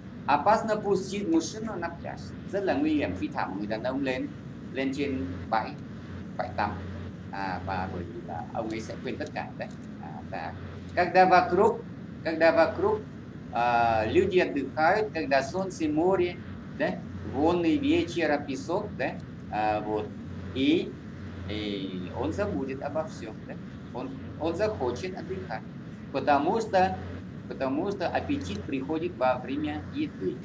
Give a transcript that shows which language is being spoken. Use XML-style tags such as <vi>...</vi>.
<ru>Опасно пустить машину на пляж.</ru> <vi>Rất là nguy hiểm khi thả một người đàn ông lên trên bãi tắm. À, và bởi vì là ông ấy sẽ quên tất cả đấy. À, và</vi> <ru>когда вокруг люди отдыхают, когда солнце, море, да, волны вечера, песок, да, вот, и он забудет обо всем, да, он захочет отдыхать, потому что аппетит приходит во время еды.</ru>